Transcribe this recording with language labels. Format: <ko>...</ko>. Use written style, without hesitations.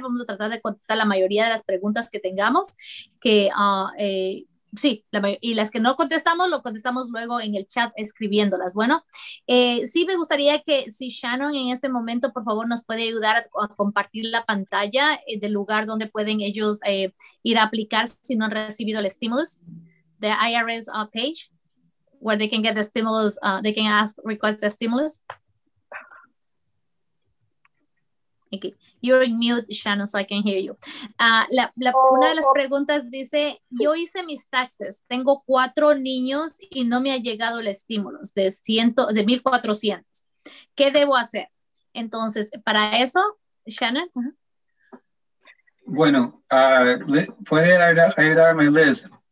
<es>Vamos a tratar de contestar la mayoría de las preguntas que tengamos. Y las que no contestamos, lo contestamos luego en el chat escribiéndolas. Bueno, sí me gustaría que si Shannon en este momento, por favor, nos puede ayudar a compartir la pantalla del lugar donde pueden ellos ir a aplicar si no han recibido el stimulus.</es> <en>The IRS page where they can get the stimulus, they can ask, request the stimulus. Okay. You're in mute, Shannon, so I can hear you.</en> <es>Una de las preguntas dice, yo hice mis taxes, tengo 4 niños y no me ha llegado el estímulo de 1,400. ¿Qué debo hacer? Entonces, para eso, Shannon. Bueno, puede ayudarme, Liz.</es>